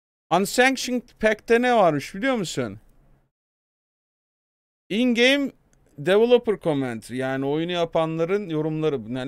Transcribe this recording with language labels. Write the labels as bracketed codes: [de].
[tr] Unsanctioned pack'te ne varmış biliyor musun? [en] In-game developer commentary. [tr] Yani oyunu yapanların yorumları.